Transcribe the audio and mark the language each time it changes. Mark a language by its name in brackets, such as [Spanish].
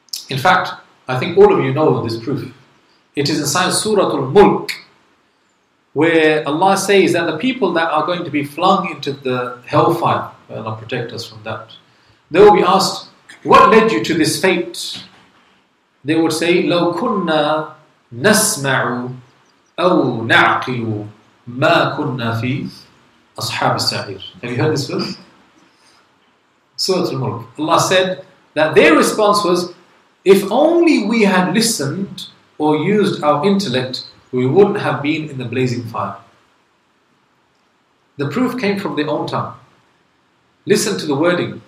[English] In fact, I think all of you know this proof. It is inside Surah Al-Mulk, where Allah says that the people that are going to be flung into the hellfire, Allah protect us from that, they will be asked, what led you to this fate? They would say, [Arabic] لَوْ كُنَّا نَسْمَعُ أَوْ نَعْقِلُ مَا كُنَّا فِي أَصْحَابِ السَّعِيرِ [English] Have you heard this verse? Surah Al-Mulk. Allah said that their response was, if only we had listened or used our intellect, we wouldn't have been in the blazing fire. The proof came from their own tongue. Listen to the wording.